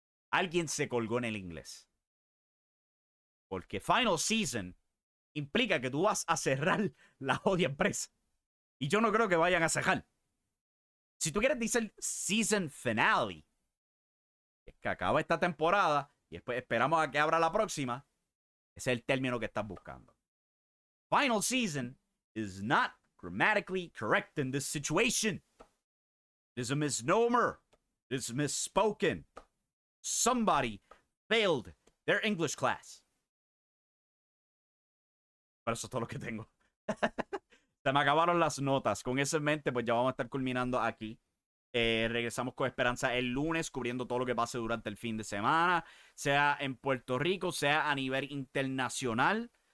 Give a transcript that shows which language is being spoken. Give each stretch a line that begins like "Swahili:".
Spanish: Alguien se colgó en el inglés. Porque Final Season implica que tú vas a cerrar la jodida empresa. Y yo no creo que vayan a cerrar. Si tú quieres decir Season Finale, que acaba esta temporada y después esperamos a que abra la próxima. Ese es el término que estás buscando.
English: Final season is not grammatically correct in this situation. It is a misnomer. It is misspoken. Somebody failed their English class.
Spanish: Pero eso es todo lo que tengo. Se me acabaron las notas. Con eso en mente, pues ya vamos a estar culminando aquí. Regresamos con Esperanza el lunes, cubriendo todo lo que pase durante el fin de semana, sea en Puerto Rico, sea a nivel internacional.